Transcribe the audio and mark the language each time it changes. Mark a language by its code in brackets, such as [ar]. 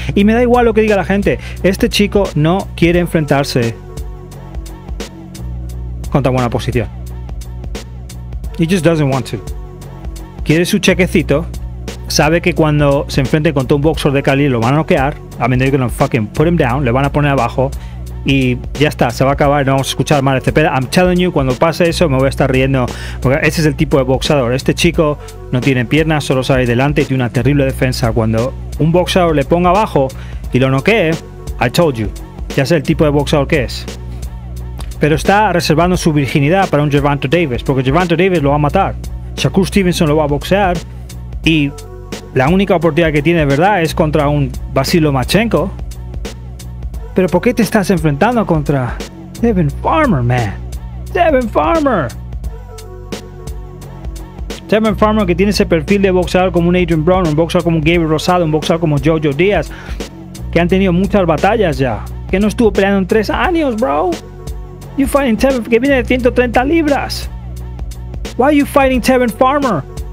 [es] Y me da igual lo que diga la gente. Este chico no quiere enfrentarse contra buena posición. [en] He just doesn't want to. [es] Quiere su chequecito. Sabe que cuando se enfrente con un boxer de Cali lo van a noquear. [en] I mean, they're gonna fucking put him down. [es] Le van a poner abajo. Y ya está, se va a acabar. No vamos a escuchar más de Cepeda. [en] I'm telling you, [es] cuando pase eso me voy a estar riendo. Porque ese es el tipo de boxeador. Este chico no tiene piernas, solo sale delante y tiene una terrible defensa. Cuando un boxeador le ponga abajo y lo noquee, [en] I told you, [es] ya sé el tipo de boxeador que es. Pero está reservando su virginidad para un Gervonta Davis, porque Gervonta Davis lo va a matar. Shakur Stevenson lo va a boxear. Y la única oportunidad que tiene de verdad es contra un Vasyl Lomachenko. ¿Pero por qué te estás enfrentando contra Devin Farmer, man? ¡Devin Farmer! Devin Farmer, que tiene ese perfil de boxeador como un Adrian Brown, un boxeador como Gabriel Rosado, un boxeador como Jojo Díaz, que han tenido muchas batallas ya. Que no estuvo peleando en 3 años, bro. [en] You fighting [es] Devin, que viene de 130 libras. [en] Why are you fighting Devin Farmer?